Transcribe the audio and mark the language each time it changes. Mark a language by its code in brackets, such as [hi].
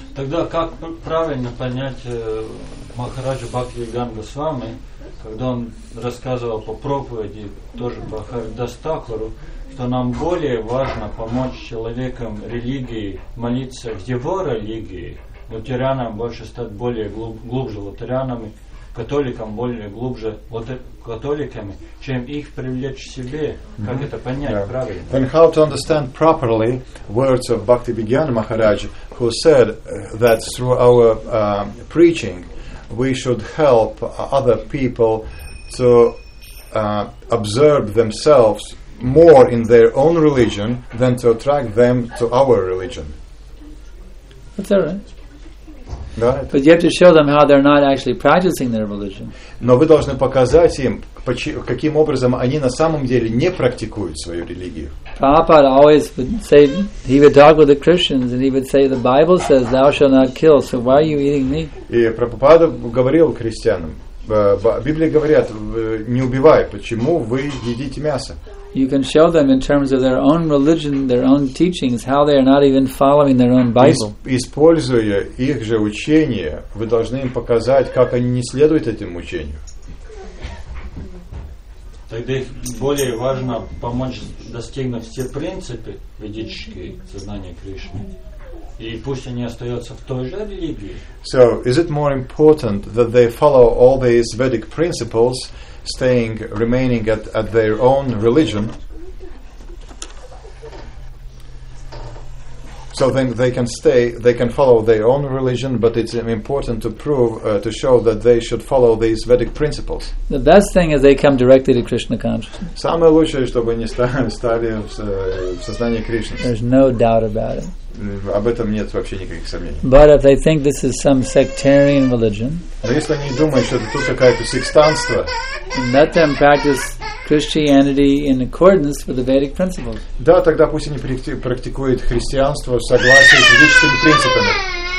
[ru] Тогда как правильно понять Махараджа Бхактивиданта Свами, когда он рассказывал по проповеди, тоже по Харидас Такуру, что нам более важно помочь человекам религии молиться в его религии, лютеранам больше стать более глубже лютеранами, католикам более глубже католиками, чем их привлечь к себе. Mm-hmm. Как это понять yeah. правильно? [en] And how to understand properly words of Bhakti Vigyan Maharaj, who said that through our preaching we should help other people to observe themselves more in their own religion than to attract them to our religion. That's all right. Got it. But you have to show them how they're not actually practicing their religion. [ru] Но вы должны показать им, каким образом они на самом деле не практикуют свою религию. [en] Prabhupada always would say, he would talk with the Christians and he would say, the Bible says, thou shalt not kill, so why are you eating meat? [ru] И Прабхупада говорил христианам, Библия говорит, не убивай, почему вы едите мясо? [en] You can show them in terms of their own religion, their own teachings, how they are not even following their own Bible. [ru] Используя их же учение, вы должны им показать, как они не следуют этим учению. Тогда их более важно помочь достигнуть все принципы ведические сознания Кришны. И пусть они остаются в той же религии. [en] So, is it more important that they follow all these Vedic principles, remaining at their own religion, so then they can follow their own religion, but it's important to prove to show that they should follow these Vedic principles. The best thing is they come directly to Krishna consciousness. [ru] Самое лучшее, чтобы они стали в сознании Кришны. [en] There's no doubt about it. [ru] Об этом нет вообще никаких сомнений. [en] But if they think this is some sectarian religion, [ru] но если они думают, что это тут какое-то сектантство, [en] let them practice Christianity in accordance with the Vedic principles. [ru] Да, тогда пусть они практикуют христианство в согласии с ведическими принципами.